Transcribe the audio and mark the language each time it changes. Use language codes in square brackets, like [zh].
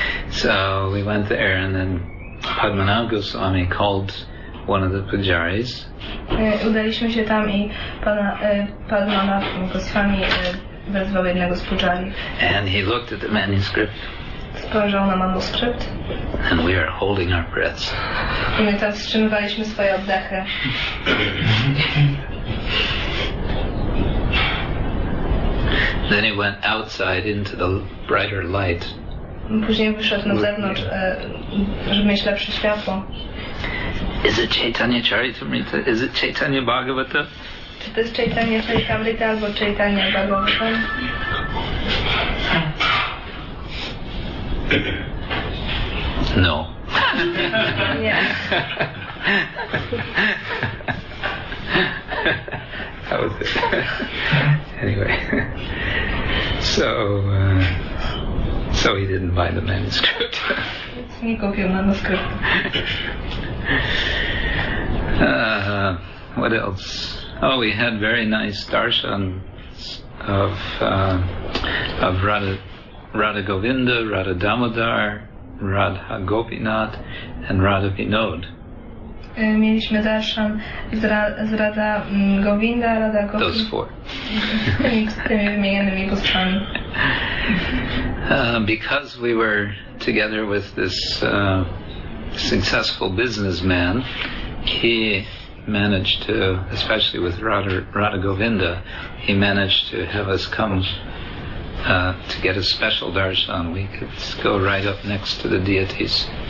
[en] So we went there, and then Padmanabh Goswami called one of the pujaris. [pl] Udaliśmy się tam i Padmanabh Goswami wezwał jednego z pujari. [en] And he looked at the manuscript. [pl] Spojrzał na manuskrypt. [en] And we are holding our breaths. [pl] I my tam wstrzymywaliśmy swoje oddechy. [en] Then he went outside into the brighter light. [pl] Później wyszedł na zewnątrz, żeby mieć lepsze światło. [en] Is it Chaitanya Charitamrita? Is it Chaitanya Bhagavata? [pl] Czy to jest Chaitanya Charitamrita albo Chaitanya Bhagavata? [en] No. Yeah. That was it. Anyway. So he didn't buy the manuscript. [pl] Nie kupił manuskrypt. [en] What else? Oh, we had very nice darshan of Radha Govinda, Radha Damodar, Radha Gopinath, and Radha Vinod. [pl] Mieliśmy darshan z Radha Govinda, Radha Gopinath. [en] Those four. [pl] Z tymi wymienionymi bóstwami. [en] Because we were together with this successful businessman, he managed to, especially with Radha Govinda, he managed to have us come to get a special darshan, we could go right up next to the deities.